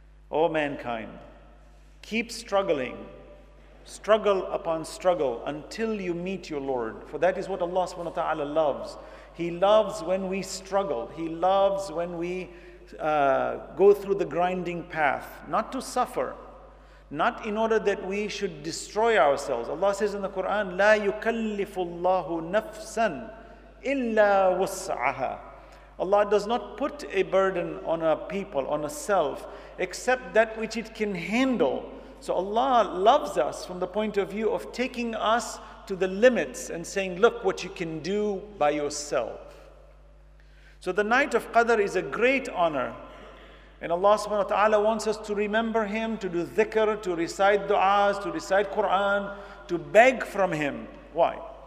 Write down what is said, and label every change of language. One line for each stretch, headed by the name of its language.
English: O mankind, keep struggling, struggle upon struggle, until you meet your Lord. For that is what Allah subhanahu wa ta'ala loves. He loves when we struggle. He loves when we go through the grinding path, not to suffer, not in order that we should destroy ourselves. Allah says in the Quran,
Arabic: لا يكلف الله نفسا إلا وسعها.
English: Allah does not put a burden on a people, on a self, except that which it can handle. So Allah loves us from the point of view of taking us to the limits and saying, look what you can do by yourself. So the night of Qadr is a great honor. And Allah subhanahu wa ta'ala wants us to remember Him, to do dhikr, to recite du'as, to recite Quran, to beg from Him. Why?